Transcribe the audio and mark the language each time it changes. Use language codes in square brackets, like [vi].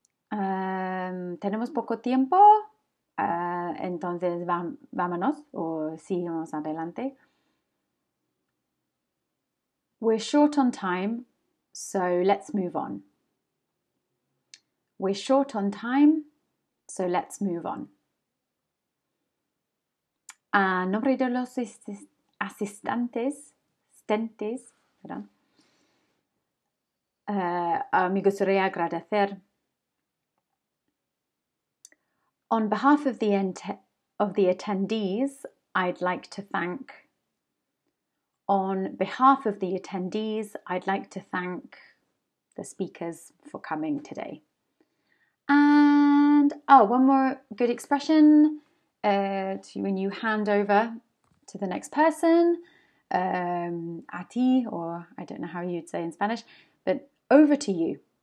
[es] Tenemos poco tiempo, entonces vámonos o seguimos adelante. [en] We're short on time, so let's move on. We're short on time, so let's move on. [es] A nombre de los asistentes, asistentes, perdón, me gustaría agradecer. [en] On behalf of the attendees, I'd like to thank. On behalf of the attendees, I'd like to thank the speakers for coming today. And oh, one more good expression to when you hand over to the next person, [es] a ti, [en] or I don't know how you'd say in Spanish, but over to you.